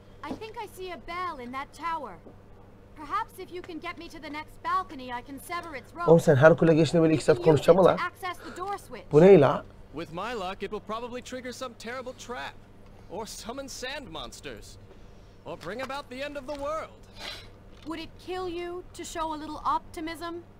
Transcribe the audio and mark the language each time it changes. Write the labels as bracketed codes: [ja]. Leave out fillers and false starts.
[en] I think I see a bell in that tower. Perhaps if you can get me to the next balcony I can sever its rope. [tr] Oğlum sen her kule geçtiğinde böyle iki saat konuşacağım ola. Bu ne la? [en] With my luck it will probably trigger some terrible trap or summon sand monsters or bring about the end of the world. Would it kill you to show a little optimism?